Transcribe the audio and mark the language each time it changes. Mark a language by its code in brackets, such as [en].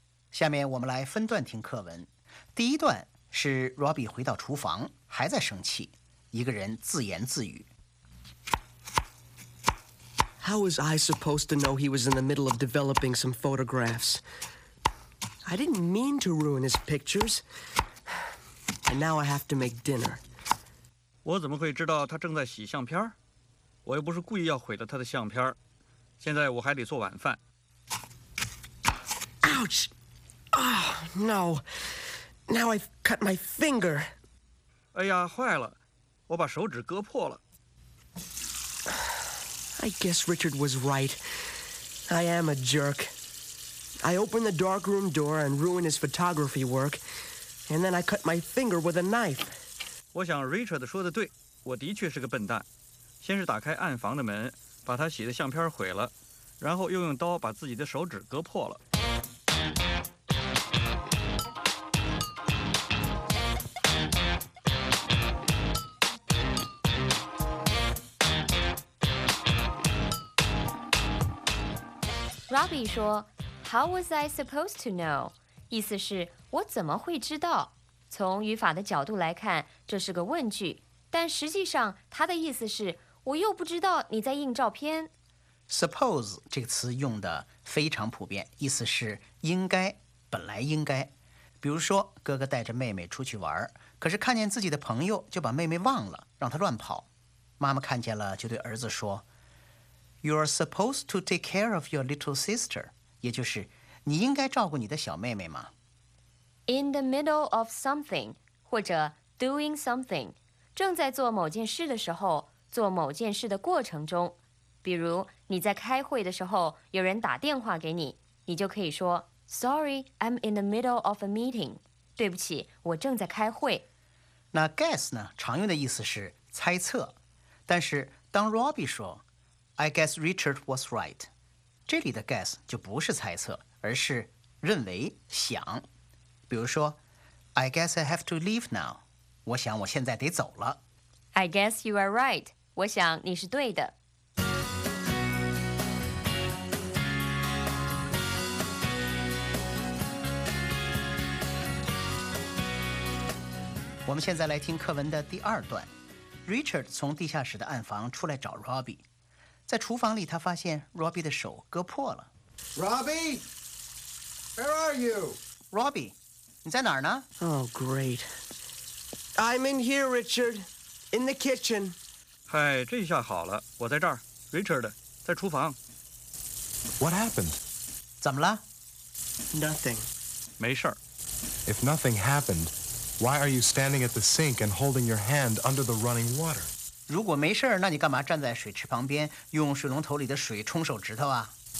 [zh] 下面我们来分段听课文。第一段是 Robbie 回到厨房，还在生气，一个人自言自语。 [en] How was I supposed to know he was in the middle of developing some photographs? I didn't mean to ruin his pictures. And now I have to make dinner. [zh] 我怎么会知道他正在洗相片？我又不是故意要毁了他的相片。现在我还得做晚饭。 [en] Ouch! Oh, no. Now I've cut my finger. [zh] 哎呀，坏了，我把手指割破了。 [en] I guess Richard was right. I am a jerk. I open the darkroom door and ruin his photography work, and then I cut my finger with a knife. [zh] 我想 Richard 说的对，我的确是个笨蛋。先是打开暗房的门，把他洗的相片毁了，然后又用刀把自己的手指割破了。 [en] Robbie 说 How was I supposed to know? [zh] 意思是我怎么会知道从语法的角度来看这是个问句但实际上他的意思是我又不知道你在印照片 Suppose 这个词用的非常普遍意思是应该本来应该比如说哥哥带着妹妹出去玩可是看见自己的朋友就把妹妹忘了让她乱跑妈妈看见了就对儿子说 [en] You are supposed to take care of your little sister. [zh] 也就是你应该照顾你的小妹妹吗 [en] In the middle of something, [zh] 或者 doing something, 正在做某件事的时候做某件事的过程中。比如你在开会的时候有人打电话给你你就可以说 [en] Sorry, I'm in the middle of a meeting. [zh] 对不起我正在开会。那 guess 呢常用的意思是猜测。但是当 [en] Robbie 说I guess Richard was right. [zh] 这里的 guess 就不是猜测，而是认为、想。比如说 [en] ，I guess I have to leave now. [zh] 我想我现在得走了。 [en] I guess you are right. [zh] 我想你是对的。我们现在来听课文的第二段。Richard 从地下室的暗房出来找 Robbie。在厨房里他发现 Robbie 的手割破了。 [en] Robbie! Where are you? [zh] Robbie, 你在哪儿呢 [en] Oh, great. I'm in here, Richard. In the kitchen. [zh] 嗨，这下好了，我在这儿。 Richard, 在厨房。 [en] What happened? [zh] 怎么了 [en] Nothing. [zh] 没事儿。 [en] If nothing happened, why are you standing at the sink and holding your hand under the running water? [zh] 如果没事儿，那你干嘛站在水池旁边用水龙头里的水冲手指头啊